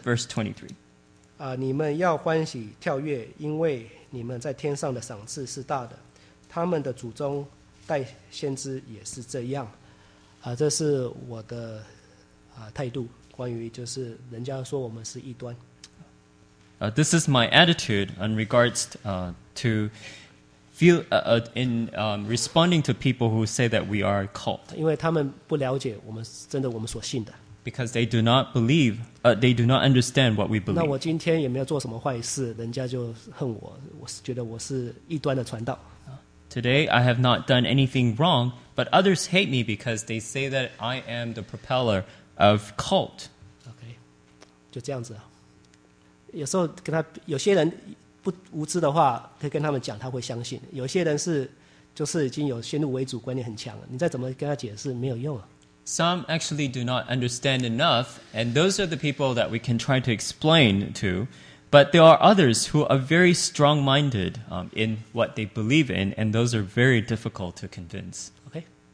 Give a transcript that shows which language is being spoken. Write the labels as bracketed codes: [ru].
[en] Luke, verse 23. [zh] 你们要欢喜跳跃，因为你们在天上的赏赐是大的，他们的祖宗代先知也是这样。这是我的态度，关于就是人家说我们是异端。 [en] This is my attitude in regards to feel in responding to people who say that we are cult. [zh] 因为他们不了解我们真的我们所信的。 [en] Because they do not believe, they do not understand what we believe. [zh] 那我今天也没有做什么坏事，人家就恨我，我是觉得我是异端的传道。 [en] Today I have not done anything wrong, but others hate me because they say that I am the propeller of cult. [zh] Okay, 就这样子。有时候跟他有些人不无知的话，可以跟他们讲，他会相信；有些人是就是已经有先入为主观念很强了，你再怎么跟他解释没有用啊。 [en] Some actually do not understand enough, and those are the people that we can try to explain to. But there are others who are very strong-minded in what they believe in, and those are very difficult to convince. Okay.